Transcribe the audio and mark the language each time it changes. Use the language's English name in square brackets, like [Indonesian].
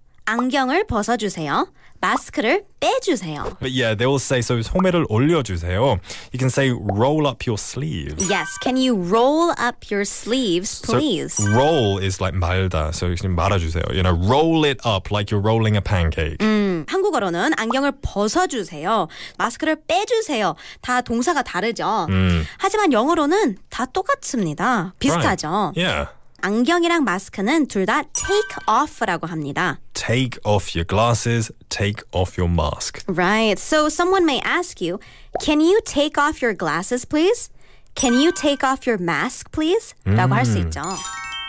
[Korean] 안경을 벗어주세요. 마스크를 빼주세요. [English] But yeah, they will say, so [Korean] 소매를 올려주세요. [English] You can say, roll up your sleeves. Yes, can you roll up your sleeves, please? So roll is like 말다. So 말아주세요. You know, roll it up like you're rolling a pancake. [Korean] 한국어로는 안경을 벗어주세요. 마스크를 빼주세요. 다 동사가 다르죠. 하지만 영어로는 다 똑같습니다. 비슷하죠. [English] Right. Yeah. [Korean] 안경이랑 마스크는 둘 다 take off라고 합니다. [English] Take off your glasses, take off your mask. Right. So someone may ask you, can you take off your glasses, please? Can you take off your mask, please? [Korean] 라고 할 수 있죠.